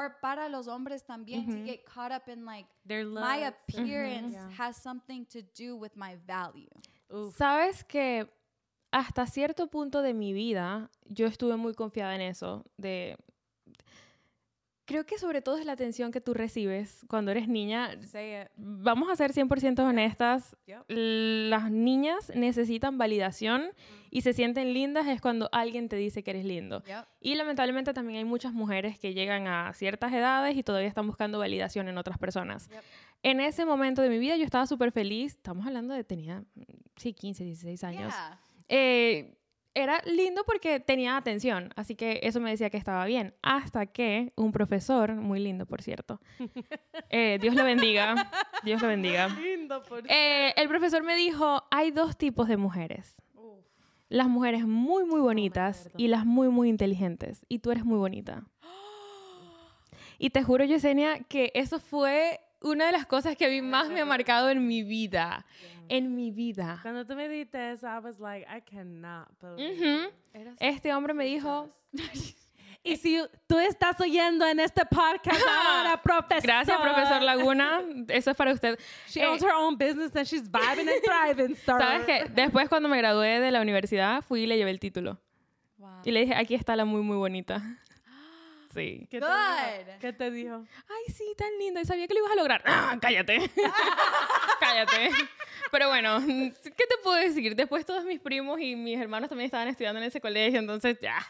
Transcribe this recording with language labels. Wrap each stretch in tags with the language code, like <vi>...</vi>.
<en>Or</en> <es>para los hombres también,</es> <en>mm-hmm. to get caught up in, like, their love. My appearance, mm-hmm. has something to do with my value.</en> <es>Oof. ¿Sabes qué? Hasta cierto punto de mi vida, yo estuve muy confiada en eso. Creo que sobre todo es la atención que tú recibes cuando eres niña.</es> <en>Say it.</en> <es>Vamos a ser 100% honestas. Yep. Las niñas necesitan validación, mm-hmm. y se sienten lindas es cuando alguien te dice que eres lindo.</es> <en>Yep.</en> <es>Y lamentablemente también hay muchas mujeres que llegan a ciertas edades y todavía están buscando validación en otras personas.</es> <en>Yep.</en> <es>En ese momento de mi vida yo estaba súper feliz. Estamos hablando de tenía, sí, 15, 16 años.</es> <en>Yeah.</en> <es>Era lindo porque tenía atención, así que eso me decía que estaba bien, hasta que un profesor, muy lindo por cierto, Dios lo bendiga, lindo por el profesor me dijo, hay dos tipos de mujeres, las mujeres muy muy bonitas y las muy muy inteligentes, y tú eres muy bonita. Y te juro, Yesenia, que eso fue una de las cosas que a mí más me ha marcado en mi vida. En mi vida. Cuando tú me dijiste eso,</es> <en>I was like, I cannot believe. Mm-hmm.</en> <es>Este hombre me dijo... Y si tú estás oyendo en este podcast ahora, profesor. Gracias, profesor Laguna. Eso es para usted.</es> <en>She owns her own business and she's vibing and thriving, sir.</en> <es>¿Sabes qué? Después, cuando me gradué de la universidad, fui y le llevé el título.</es> <en>Wow.</en> <es>Y le dije, aquí está la muy, muy bonita. Sí. ¿Qué te dijo? ¿Qué te dijo? Ay, sí, tan linda. Y sabía que lo ibas a lograr. ¡Ah, cállate! ¡Cállate! Pero bueno, ¿qué te puedo decir? Después todos mis primos y mis hermanos también estaban estudiando en ese colegio, entonces ya.</es>